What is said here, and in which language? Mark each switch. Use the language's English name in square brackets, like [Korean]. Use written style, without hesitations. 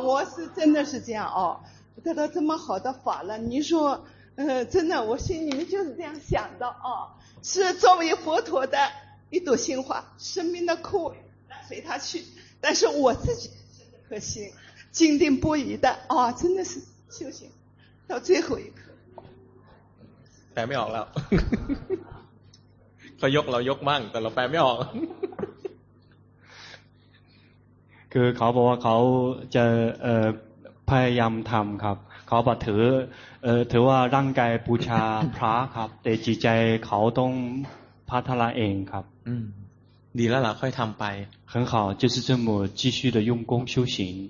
[Chinese] 我是真的是这样哦，得到这么好的法了，您说，真的，我心里面就是这样想的哦，是作为佛陀的一朵鲜花，生命的苦随他去，但是我自己真的可行，坚定不移的啊、哦，真的是修行到最后一刻，百秒了。 [Thai] เขายกเรายกมั่งแต่เราแปลไม่ออก คือเขาบอกว่าเขาจะพยายามทำครับเขาบอกถือว่าร่างกายบูชาพระครับแต่จิตใจเขาต้องพัฒนาเองครับ ดีแล้วล่ะค่อยทำไป [Chinese] 很好就是这么继续的用功修行